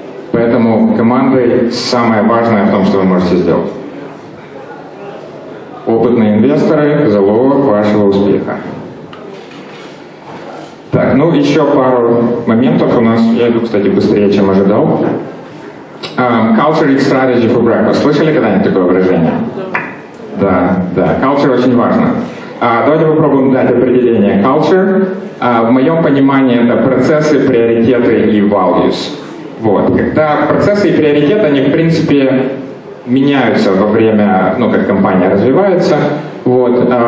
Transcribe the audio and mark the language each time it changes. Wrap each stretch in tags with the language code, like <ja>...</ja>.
<ru>Поэтому командой самое важное в том, что вы можете сделать. Опытные инвесторы – залог вашего успеха. Так, ну еще пару моментов у нас. Я иду, кстати, быстрее, чем ожидал.</ru> <en>Culture is strategy for breakfast.</en> <ru>Слышали когда-нибудь такое выражение? Да. Да, да. Culture очень важно. Давайте попробуем дать определение culture. В моем понимании это процессы, приоритеты и values. Вот. Когда процессы и приоритеты, они, в принципе, меняются во время, ну, как компания развивается. Вот.</ru>